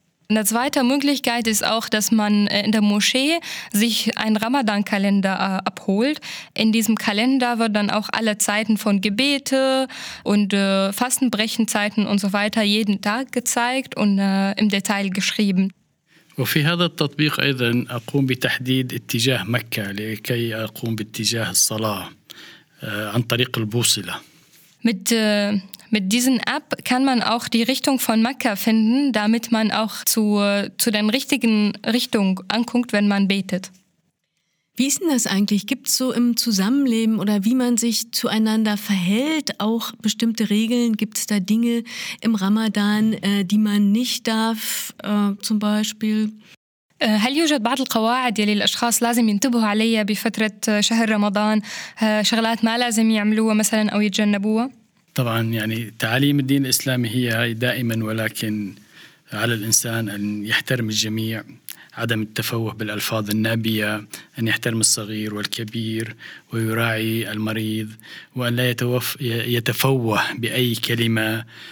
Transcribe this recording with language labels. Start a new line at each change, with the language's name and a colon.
German: Eine zweite Möglichkeit ist auch, dass man in der Moschee sich einen Ramadan-Kalender abholt. In diesem Kalender wird dann auch alle Zeiten von Gebete und Fastenbrechenzeiten und so weiter jeden Tag gezeigt und im Detail geschrieben.
Arabic: وفي هذا التطبيق أيضا أقوم بتحديد اتجاه مكة لكي أقوم باتجاه الصلاة عن طريق البوصلة.
German: Mit diesen App kann man auch die Richtung von Mekka finden, damit man auch zu den richtigen Richtung anguckt, wenn man betet. Wie ist denn das eigentlich? Gibt es so im Zusammenleben oder wie man sich zueinander verhält, auch bestimmte Regeln? Gibt es da Dinge im Ramadan, die man nicht darf, zum Beispiel?
Arabic: هل يوجد بعض القواعد يلي الأشخاص لازم ينتبهوا عليها بفترة شهر رمضان؟ شغلات ما لازم يعملوها مثلا أو يتجنبوها؟ طبعا يعني تعاليم الدين الإسلامي هي دائما، ولكن على الإنسان أن يحترم الجميع، عدم التفوه بالألفاظ النابية، أن يحترم الصغير والكبير ويراعي المريض، وأن لا يتفوه بأي كلمة